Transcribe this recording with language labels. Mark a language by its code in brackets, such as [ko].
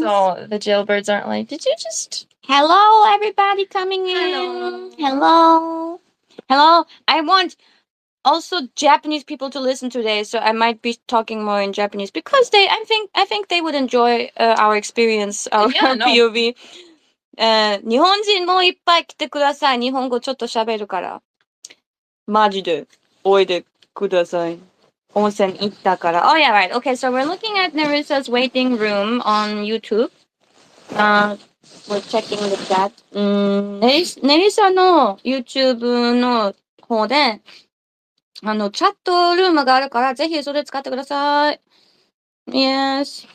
[en] So the jailbirds aren't like, did you just... Hello, everybody coming in. Hello. Hello. Hello. I want also Japanese people to listen today, so I might be talking more in Japanese, because they, I think they would enjoy our experience of POV. [ja] 日本人もいっぱい来てください。日本語ちょっと喋るから。マジで、おいでください。温泉行ったから。 [en] Oh yeah, right. Okay, so we're looking at Narissa's waiting room on YouTube. We're checking the chat. [ja] Narissa の YouTube の方で、チャットルームがあるから、ぜひそれ使ってください。Yes.